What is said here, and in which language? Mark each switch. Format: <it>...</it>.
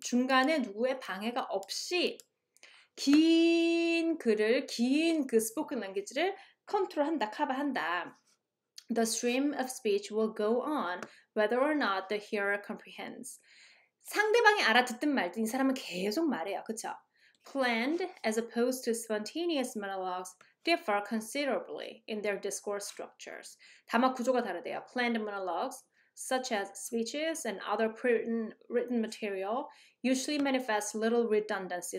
<ko>중간에 누구의 방해가 없이 긴 글을, 긴그 스포큰 랭귀지를 컨트롤한다, 커버한다.</ko> <en>The stream of speech will go on whether or not the hearer comprehends.</en> <ko>상대방이 알아듣든 말든 이 사람은 계속 말해요. 그쵸?</ko> <en>Planned as opposed to spontaneous monologues differ considerably in their discourse structures.</en> <ko>다만 구조가 다르대요.</ko> <en>Planned monologues, such as speeches and other written material, usually manifest little redundancy.</en>